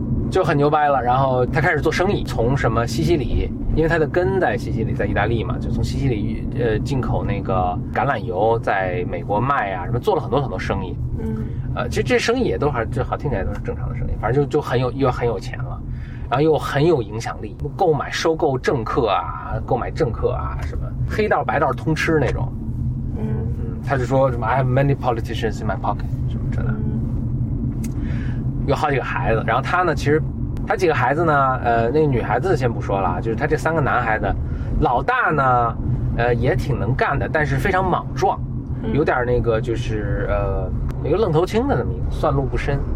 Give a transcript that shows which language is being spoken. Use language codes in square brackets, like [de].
[zh] 就很牛掰了，然后他开始做生意，从什么西西里，因为他的根在西西里，在意大利嘛，就从西西里进口那个橄榄油，在美国卖啊什么，做了很多很多生意。嗯，其实这生意也都还就好，听起来都是正常的生意，反正就很有钱了，然后又很有影响力，购买收购政客啊，购买政客啊，什么黑道白道通吃那种。嗯嗯，他就说什么 [en] I have many politicians in my pocket [zh] 什么之类的。有好几个孩子，然后他呢，其实他几个孩子呢，那个女孩子先不说了，就是他这三个男孩子，老大呢，也挺能干的，但是非常莽撞，有点那个就是一个愣头青的那么一个，算路不深。